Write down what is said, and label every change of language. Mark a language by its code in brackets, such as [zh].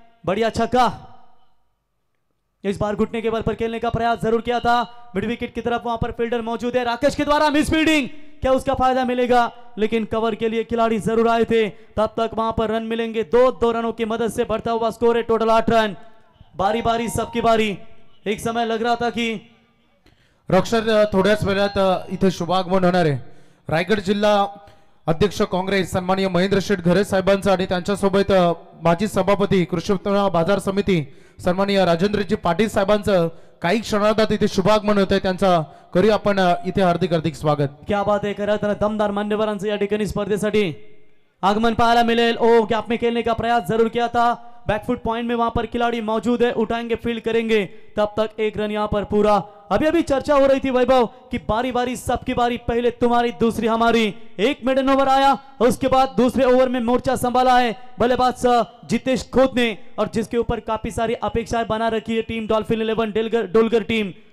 [hi] बढ़िया छक्का इस बार घुटने के बल पर खेलने का प्रयास जरूर किया था, मिड विकेट की तरफ वहां पर फील्डर मौजूद है राकेश के द्वारा मिसफील्डिंग, क्या उसका फायदा मिलेगा, लेकिन कवर के लिए खिलाड़ी जरूर आए थे, तब तक वहां पर रन मिलेंगे। 2 रनों की मदद से बढ़ता हुआ स्कोर है, टोटल 8 रन। बारी बारी सबकी बारी, एक समय लग रहा था कि [mr] रक्षक थोड़ा वेळात इथे शुभागमन होणार आहे। रायगड जिल्हा अध्यक्ष काँग्रेस सन्माननीय महेंद्र शेठ घरे साहेबांचं आणि त्यांच्यासोबत माजी सभापती कृषीउत्पन्न बाजार समिती सन्माननीय राजेंद्रजी पाटील साहेबांचं काही क्षणात इथे शुभागमन होत आहे, त्यांचा करू आपण इथे हार्दिक स्वागत। [hi] क्या बात है, [mr] खरं तर दमदार मान्यवरांचं या ठिकाणी स्पर्धेसाठी आगमन पाहायला मिळेल। [hi] ओ गॅप में खेळने का प्रयास जरूर किया था, बैकफुट पॉइंट में वहां पर खिलाड़ी मौजूद है, उठाएंगे फील्ड करेंगे, तब तक 1 रन यहां पर पूरा। अभी अभी चर्चा हो रही थी वैभव कि बारी बारी सबकी बारी, पहले तुम्हारी दूसरी हमारी, एक मेडन ओवर आया उसके बाद दूसरे ओवर में मोर्चा संभाला है बल्लेबाज जितेश खोद ने और जिसके ऊपर काफी सारी अपेक्षाएं बना रखी है टीम डॉल्फिन 11 डोलगर टीम।